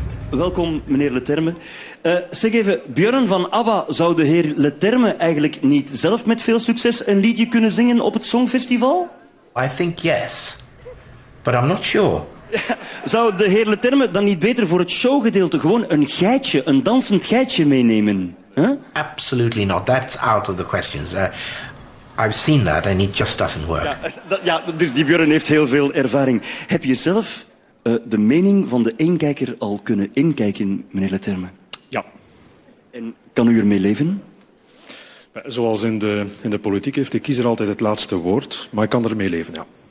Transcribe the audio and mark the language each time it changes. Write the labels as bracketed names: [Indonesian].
[Dutch] Welkom, meneer Le Terme. Zeg even, Björn van ABBA zou de heer Le Terme eigenlijk niet zelf met veel succes een liedje kunnen zingen op het Songfestival? [English] I think yes, but I'm not sure. [Dutch] Zou de heer Le Terme dan niet beter voor het showgedeelte gewoon een geitje, een dansend geitje meenemen? Huh? [English] Absolutely not, that's out of the question. I've seen that and it just doesn't work. [Dutch] Ja, dus die Björn heeft heel veel ervaring. Heb je zelf de mening van de inkijker al kunnen inkijken, meneer Le Terme? Ja. En kan u ermee leven? Zoals in de politiek heeft de kiezer altijd het laatste woord, maar ik kan ermee leven, ja.